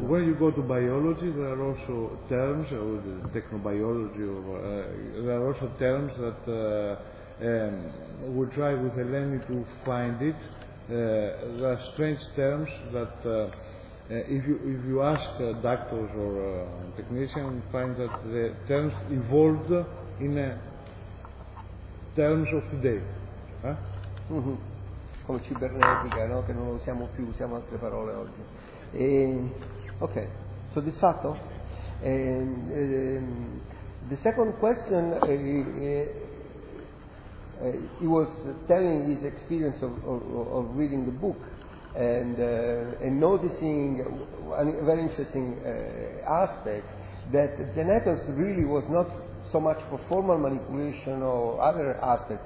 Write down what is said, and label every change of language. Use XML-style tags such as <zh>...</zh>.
<en>When you go to biology, there are also terms, or the technobiology, or, there are also terms that we'll try with Eleni to find it. There are strange terms that if you ask doctors or technicians, you find that the terms evolved in terms of today.</en> <it>Come cibernetica, no? Che non usiamo più, usiamo altre parole oggi. E, ok, soddisfatto?</it> <en>The second question he was telling his experience of reading the book and noticing a very interesting aspect that Xenakis really was not so much for formal manipulation or other aspects.</en>